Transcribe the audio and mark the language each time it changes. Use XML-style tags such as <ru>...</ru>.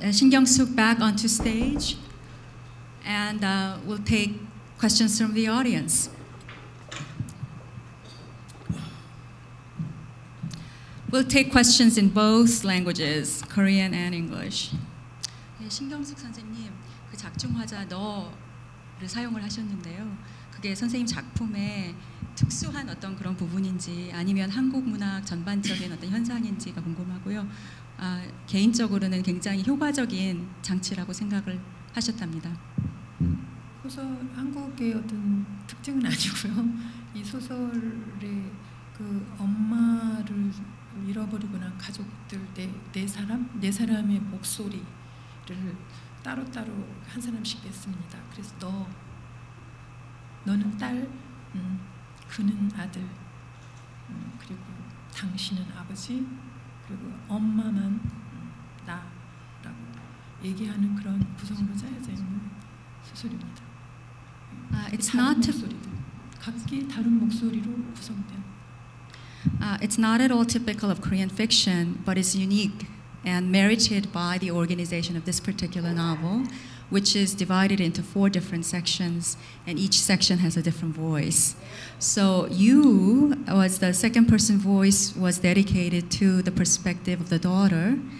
<en>Shin Kyung-suk back onto stage, and we'll take questions from the audience. We'll take questions in both languages, Korean and English.</en> <ko>신경숙 선생님, 그 작중화자 너를 사용을 하셨는데요. 그게 선생님 작품의 특수한 어떤 그런 부분인지 아니면 한국 문학 전반적인 어떤 현상인지가 궁금하고요. 아, 개인적으로는 굉장히 효과적인 장치라고 생각을 하셨답니다. 소설 한국의 어떤 특징은 아니고요. 이 소설의 그 엄마를 잃어버리고 난 가족들 네 사람의 목소리 를 따로따로 한 사람씩 냈습니다. 그래서 너는 딸, 그는 아들, 그리고 당신은 아버지, 그리고 엄마만 나라고 얘기하는 그런 구성으로 짜여져 있는 소설입니다.</ko> <en>It's not</en> <ko>목소리들, 각기 다른 목소리로 구성된.</ko> <en>It's not at all typical of Korean fiction, but it's unique. And merited by the organization of this particular novel. which is divided into four different sections, and each section has a different voice. So you, as the second person voice, was dedicated to the perspective of the daughter.</en>